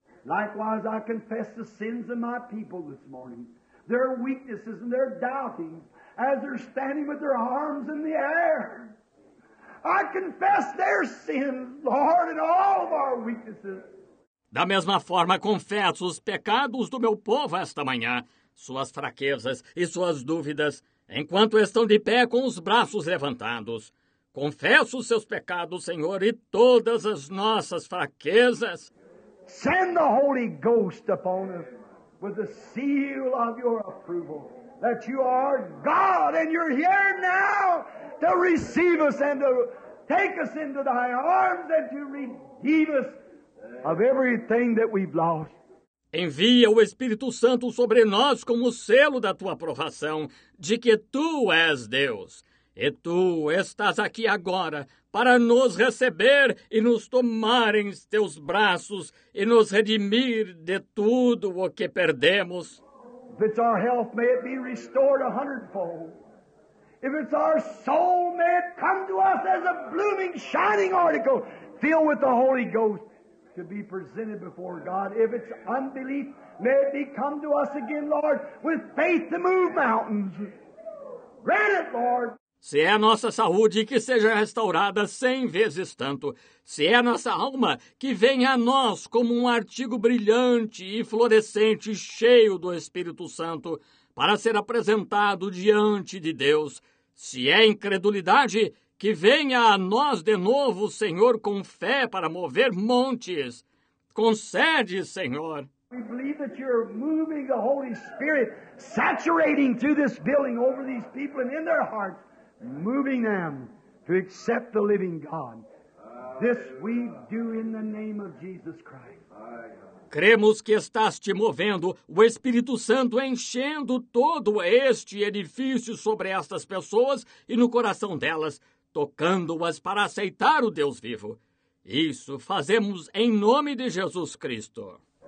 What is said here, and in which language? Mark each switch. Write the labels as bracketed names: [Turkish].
[English] Likewise, I confess the sins of my people this morning, their weaknesses and their doubting, as they're standing with their arms in the air. I confess their sins, Lord, and all of our weaknesses. [Portuguese] Da mesma forma, confesso os pecados do meu povo esta manhã, suas fraquezas e suas dúvidas, enquanto estão de pé com os braços levantados. Confesso os seus pecados, Senhor, e todas as nossas fraquezas. [English] Send the Holy Ghost upon us with the seal of your approval, that you are God and you're here now to receive us and to take us into thy arms and to redeem us. heal us of everything that we've lost. [Portuguese] Envia o Espírito Santo sobre nós como selo da tua aprovação, de que tu és Deus. E tu estás aqui agora para nos receber e nos tomar em teus braços e nos redimir de tudo o que perdemos. [English] If it's our health, may it be restored a hundredfold. If it's our soul, may it come to us as a blooming, shining article, filled with the Holy Ghost. To be presented before God. If it's unbelief, may it be come to us again, Lord, with faith to move mountains. Grant it, Lord. [Portuguese] Se é nossa saúde, que seja restaurada 100 vezes tanto. Se é nossa alma, que venha a nós como um artigo brilhante e florescente, cheio do Espírito Santo, para ser apresentado diante de Deus. Se é incredulidade, que venha a nós de novo, Senhor, com fé para mover montes. Concede, Senhor. [English] We believe that you're moving the Holy Spirit, saturating through this building over these people and in their hearts, moving them to accept the living God. This we do in the name of Jesus Christ. [Portuguese] Cremos que estás te movendo, o Espírito Santo enchendo todo este edifício sobre estas pessoas e no coração delas, tocando-as para aceitar o Deus vivo. Isso fazemos em nome de Jesus Cristo.